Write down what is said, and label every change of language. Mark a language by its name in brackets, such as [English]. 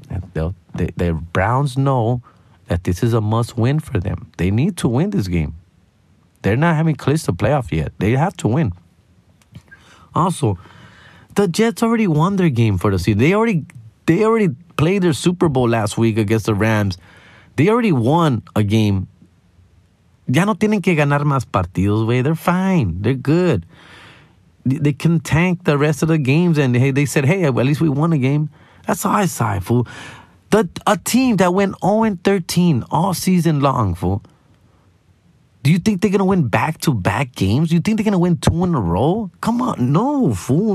[English] And the Browns know that this is a must-win for them. They need to win this game. They're not having clinched the playoff yet. They have to win. Also, the Jets already won their game for the season. They already played their Super Bowl last week against the Rams. They already won a game. [Spanish] Ya no tienen que ganar más partidos, güey. [English] They're fine. They're good. They can tank the rest of the games. And they said, hey, at least we won a game. That's all I say, fool. A team that went 0-13 all season long, fool. Do you think they're going to win back-to-back games? Do you think they're going to win two in a row? Come on. No, fool.